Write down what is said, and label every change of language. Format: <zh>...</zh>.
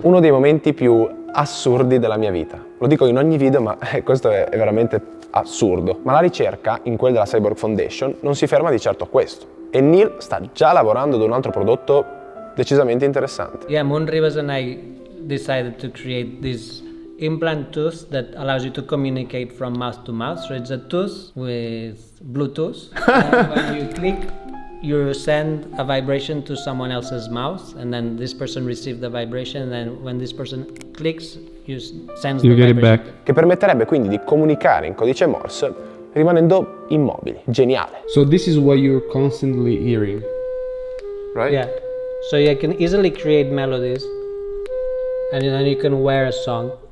<it>Uno dei momenti più assurdi della mia vita. Lo dico in ogni video, ma questo è veramente assurdo. Ma la ricerca, in quel della Cyborg Foundation, non si ferma di certo a questo. E Neil sta già lavorando ad un altro prodotto decisamente interessante.</it> <en>Yeah, Moon Rivers and I decided to create this implant tooth that allows you to communicate from mouth to mouth. So it's a tooth with Bluetooth. And when you click, you send a vibration to someone else's mouth, and then this person receives the vibration, and then when this person clicks, you send the vibration back.</en> <it>Che permetterebbe quindi di comunicare in codice Morse rimanendo immobili. Geniale.</it> <en>So this is what you're constantly hearing, right? Yeah. So you can easily create melodies, and then you can wear a song.</en>